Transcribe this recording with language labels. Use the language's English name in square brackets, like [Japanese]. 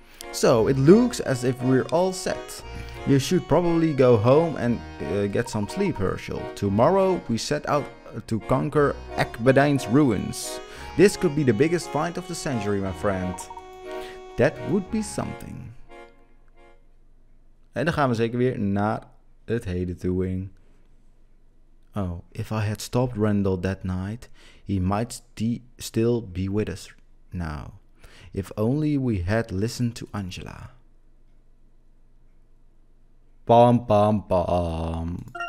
[English] So, it looks as if we're all set. You should probably go home and get some sleep, Herschel. Tomorrow we set out to conquer Ecbedine's ruins. This could be the biggest find of the century, my friend. That would be something. [Dutch] En dan gaan we zeker weer naar het heden toe in. [English] Oh, if I had stopped Randall that night, he might still be with us now. If only we had listened to Angela. Pam pam pam.